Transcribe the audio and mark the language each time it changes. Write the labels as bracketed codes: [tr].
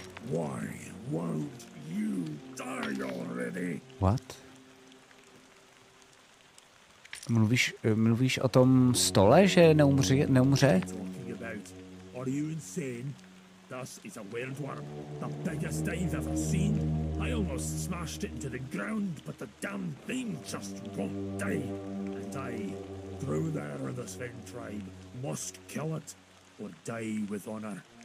[en] Why won't you die already? What? [cs] Mluvíš o tom stole, že neumře? [en] Are you insane? This is a weird worm, the biggest I've ever seen. I almost smashed it into the ground, but the damn thing just won't die. And I, through there in the Sven tribe, must kill it or die with honor.